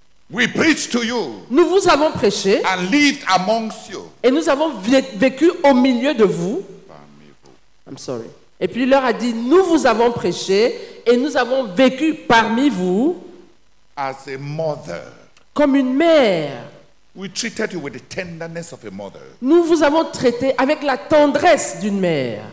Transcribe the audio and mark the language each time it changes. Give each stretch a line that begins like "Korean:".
English: we preach to you.
French: Nous vous avons prêché.
English: And lived amongst you.
French: Et nous avons vécu au milieu de vous.
English: I'm sorry.
French: Et puis il leur a dit, nous vous avons prêché et nous avons vécu parmi vous.
English: As a mother.
French: Comme une mère.
English: We treated you with the tenderness of a mother.
French: Nous vous avons traité avec la tendresse d'une mère.